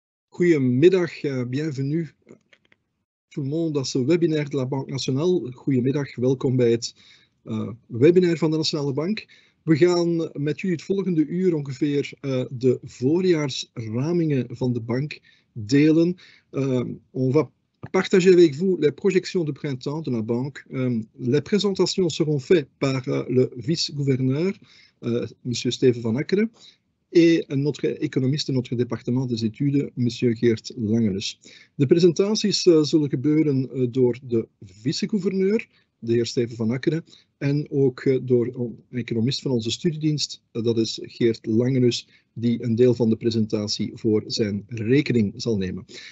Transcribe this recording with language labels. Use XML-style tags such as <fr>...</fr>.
<nl>Goedemiddag,</nl> <fr>bienvenue tout le monde dans ce webinaire de la Banque Nationale.</fr> <nl>Goedemiddag, welkom bij het webinar van de Nationale Bank. We gaan met u het volgende uur ongeveer de voorjaarsramingen van de bank delen.</nl> <fr>On va partager avec vous les projections de printemps de la banque. Les présentations seront faites par le vice-gouverneur, monsieur Steven van Akkeren. Et notre économiste, notre département des études, M. Geert Langelus.</fr> <nl>De présentaties zullen gebeuren door de vice-gouverneur, de heer Steven van Akkeren, en ook door een economist van onze studiedienst, dat is Geert Langelus, die een deel van de presentatie voor zijn rekening zal nemen.</nl>